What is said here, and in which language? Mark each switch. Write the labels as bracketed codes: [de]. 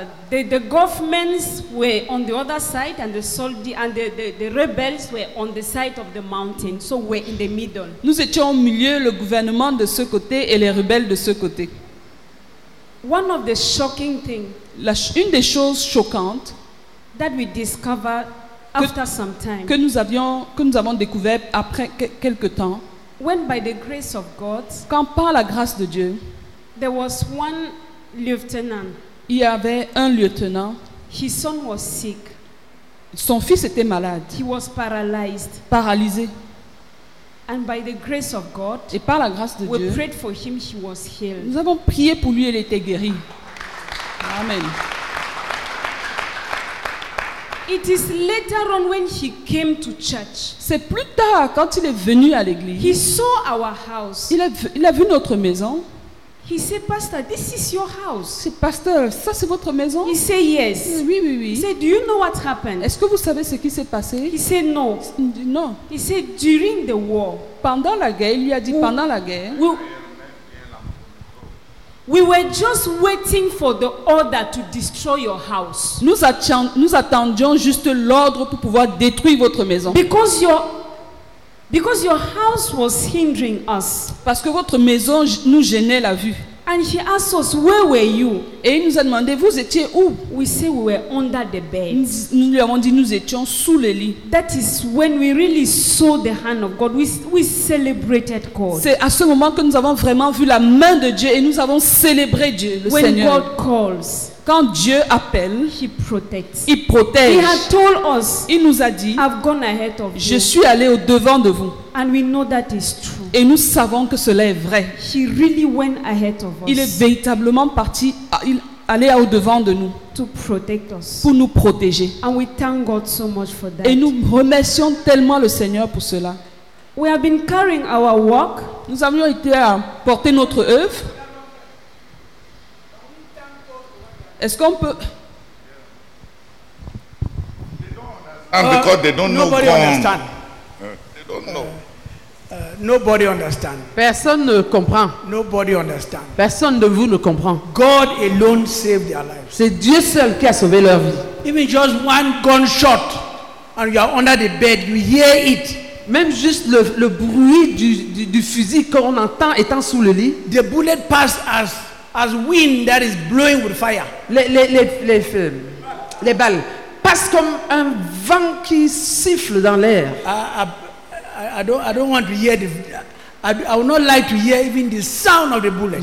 [en] The governments were on the other side, and the soldiers and the rebels were on the side of the mountain, so we're in the middle. [fr] Nous étions au milieu, le gouvernement de ce côté et les rebelles de ce côté. [en] One of the shocking things. [fr] Une des choses choquantes. [en] That we discovered after some time. [fr] Que nous avons découvert après quelque temps. [en] When by the grace of God. [fr] Quand par la grâce de Dieu. [en] There was one. Lieutenant. [fr] Il y avait un lieutenant. [en] His son was sick. [fr] Son fils était malade. [en] He was paralyzed. [fr] Paralysé. [en] And by the grace of God, [fr] et par la grâce de [en] we [fr] Dieu, [en] prayed for him, he was healed. [fr] Nous avons prié pour lui et il était guéri. [en] Amen. It is later on when he came to church. [fr] C'est plus tard quand il est venu à l'église. [en] He saw our house. [fr] Il a vu notre maison. [en] He said, "Pastor, this is your house." [fr] C'est pasteur, ça c'est votre maison? [en] He said, "Yes." [fr] Oui, oui, oui. [en] He said, "Do you know what happened?" [fr] Est-ce que vous savez ce qui s'est passé? [en] He said, "No." [fr] Non. [en] He said, "During the war." [fr] Pendant la guerre, il lui a dit pendant la guerre. [en] We were just waiting for the order to destroy your house. [fr] Nous attendions juste l'ordre pour pouvoir détruire votre maison. [en] Because your house was hindering us. [fr] Parce que votre maison nous gênait la vue. [en] And he asked us, where were you? [fr] Et il nous a demandé, vous étiez où? [en] We said we were under the bed. [fr] Nous lui avons dit, nous étions sous le lit. [en] That is when we really saw the hand of God. We celebrated God. [fr] C'est à ce moment que nous avons vraiment vu la main de Dieu et nous avons célébré Dieu, le [en] when [fr] Seigneur. [en] When God calls. [fr] Quand Dieu appelle, [en] he protects. [fr] Il protège. [en] He had told us, [fr] il nous a dit, [en] I've gone ahead of [fr] je [en] you. [fr] Suis allé au-devant de vous. [en] And we know that is true. [fr] Et nous savons que cela est vrai. [en] He really went ahead of [fr] il [en] us. [fr] Est véritablement parti, il allait au-devant de nous [en] to protect us. [fr] Pour nous protéger. [en] And we thank God so much for that. [fr] Et nous remercions tellement le Seigneur pour cela. [en] We have been carrying our work. [fr] Nous avions été à porter notre œuvre. Est-ce qu'on peut? [en] And because they don't know. Nobody understand. They don't know. Nobody understand. [fr] Personne ne comprend. [en] Nobody understand. [fr] Personne de vous ne comprend. [en] God alone saved their lives. [fr] C'est Dieu seul qui a sauvé leur vie. [en] Even just one gunshot, and you are under the bed, you hear it. [fr] Même juste le bruit du fusil qu'on entend étant sous le lit. [en] The bullet passed us. As wind that is blowing with fire. [fr] Les balles passent comme un vent qui siffle dans l'air. [en] I don't want to hear the. I would not like to hear even the sound of the bullet.